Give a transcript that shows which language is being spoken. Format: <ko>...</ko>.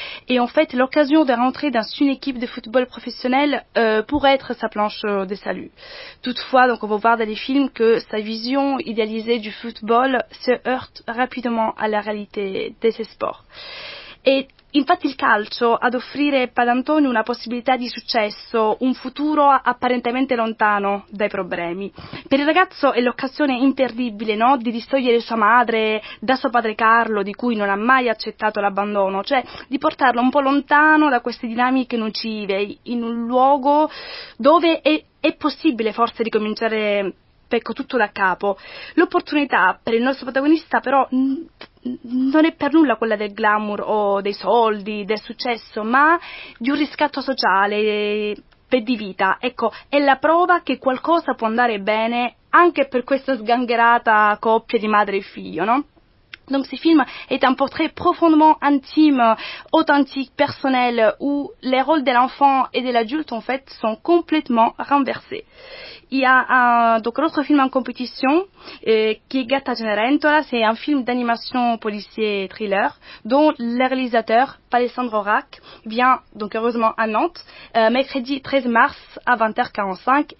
<fr>Et en fait, l'occasion de rentrer dans une équipe de football professionnel pourrait être sa planche de salut. Toutefois, donc, on va voir dans les films que sa vision idéalisée du football se heurte rapidement à la réalité de ces sports.</fr> <it>E infatti il calcio ad offrire a Padantoni una possibilità di successo, un futuro apparentemente lontano dai problemi. Per il ragazzo è l'occasione imperdibile, no, di distogliere sua madre da suo padre Carlo, di cui non ha mai accettato l'abbandono, cioè di portarlo un po' lontano da queste dinamiche nocive, in un luogo dove è possibile forse ricominciare, ecco, tutto da capo. L'opportunità per il nostro protagonista però non è per nulla quella del glamour o dei soldi, del successo, ma di un riscatto sociale e di vita. Ecco, è la prova che qualcosa può andare bene anche per questa sgangherata coppia di madre e figlio, no?</it> <fr>Donc ce film est un portrait profondément intime, authentique, personnel, où les rôles de l'enfant et de l'adulte, en fait, sont complètement renversés. Il y a donc un autre film en compétition, qui est Gatta Cenerentola. C'est un film d'animation policier thriller, dont le réalisateur, Alessandro Rack, vient donc heureusement à Nantes, mercredi 13 mars à 20h45.</fr>